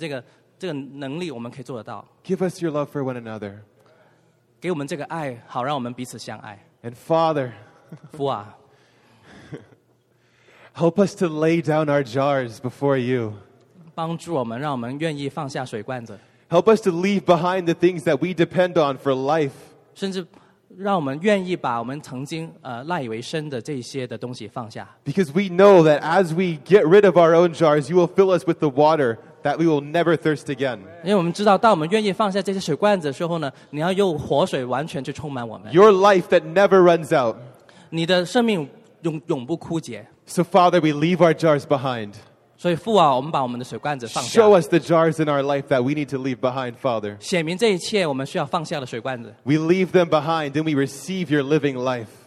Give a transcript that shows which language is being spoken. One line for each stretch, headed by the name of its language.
Chinese: 但是是靠着你的力量，靠着你的那个见证，那个爱的见证，靠着父你给我们的这个能力，我们可以做得到。
English: Give us your love for one another.
Chinese: 给我们这个爱，好让我们彼此相爱。
English: And Father,
Chinese: 父啊,
English: help us to lay down our jars before you.
Chinese: 帮助我们，让我们愿意放下水罐子。
English: Help us to leave behind the things that we depend on for life.
Chinese: 甚至让我们愿意把我们曾经赖以为生的这些的东西放下。
English: Because we know that as we get rid of our own jars, you will fill us with the water that we will never thirst again.
Chinese: 因为我们知道，当我们愿意放下这些水罐子的时候呢，你要用活水完全去充满我们。
English: Your life that never runs out.
Chinese: 你的生命永不枯竭。
English: So Father, we leave our jars behind.
Chinese: 所以父啊，我们把我们的水罐子放下。
English: Show us the jars in our life that we need to leave behind, Father.
Chinese: 显明这一切我们需要放下的水罐子。
English: We leave them behind and we receive your living life.